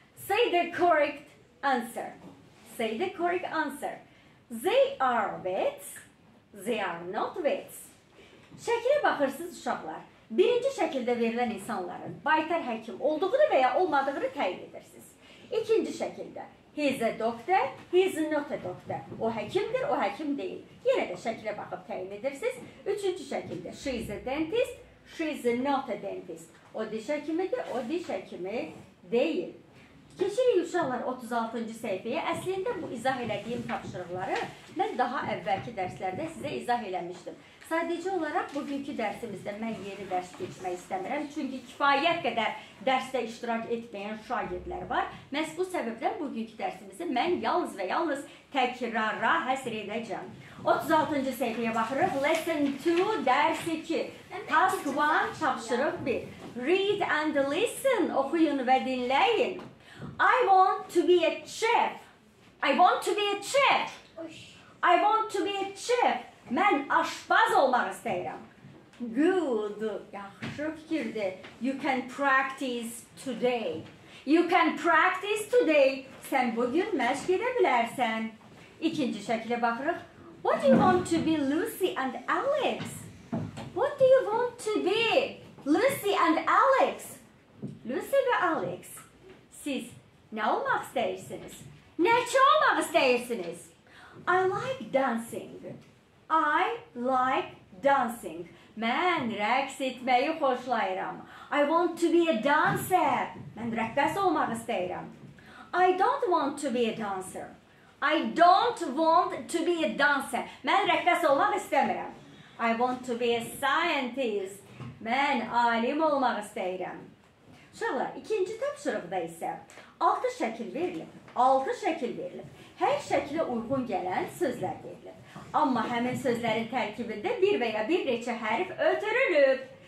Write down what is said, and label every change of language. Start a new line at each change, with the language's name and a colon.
English: Say the correct answer. Say the correct answer. They are vets. They are not vets.
Azerbaijani: Şəkilə baxırsınız uşaqlar. Birinci şəkildə verilən insanların baytar həkim olduğunu və ya olmadığını təyin edirsiniz. İkinci şəkildə.
English: He is a doctor, he is not a doctor.
Azerbaijani: O həkimdir, o həkim deyil. Yenə də şəkilə baxıb təyin edirsiniz. Üçüncü şəkildə.
English: She is a dentist, she is not a dentist.
Azerbaijani: O diş həkimidir, o diş həkimi deyil. Keçirik uşaqlar 36-cı səhifəyə. Əslində bu izah elədiyim tapşırıqları mən daha əvvəlki dərslərdə sizə izah eləmişdim. Sadəcə olaraq bugünkü dərsimizdə mən yeni dərs keçmək istəmirəm. Çünki kifayət qədər dərsdə iştirak etməyən şagirdlər var. Məhz bu səbəbdən bugünkü dərsimizi mən yalnız və yalnız təkrara həsr edəcəm. 36-cı səhifəyə baxırıq.
English: Lesson 2,
Azerbaijani: dərs 2.
English: Task 1,
Azerbaijani: tapşırıq 1.
English: Read and listen.
Azerbaijani: Oxuyun və dinləyin.
English: I want to be a chef. I want to be a chef. I want to be a chef.
Azerbaijani: Mən aşbaz olmaq istəyirəm.
English: Good.
Azerbaijani: Yaxşı fikirdir.
English: You can practice today. You can practice today.
Azerbaijani: Sən bugün məşq edə bilərsən. İkinci şəkilə baxırıq.
English: What do you want to be, Lucy and Alex? What do you want to be, Lucy and Alex?
Azerbaijani: Lucy və Alex, siz nə olmaq istəyirsiniz? Nəçə olmaq istəyirsiniz?
English: I like dancing. I like dancing.
Azerbaijani: Mən rəqs etməyi xoşlayıram.
English: I want to be a dancer.
Azerbaijani: Mən rəqqəs olmaq istəyirəm.
English: I don't want to be a dancer. I don't want to be a dancer.
Azerbaijani: Mən rəqqəs olmaq istəmirəm.
English: I want to be a scientist.
Azerbaijani: Mən alim olmaq istəyirəm. Uşaqlar, ikinci tapşırıqda isə 6 şəkil verilib. 6 şəkil verilib. Hər şəkilə uyğun gələn sözlər verilib. Amma həmin sözlərin tərkibində bir və ya bir neçə hərf ötürülüb.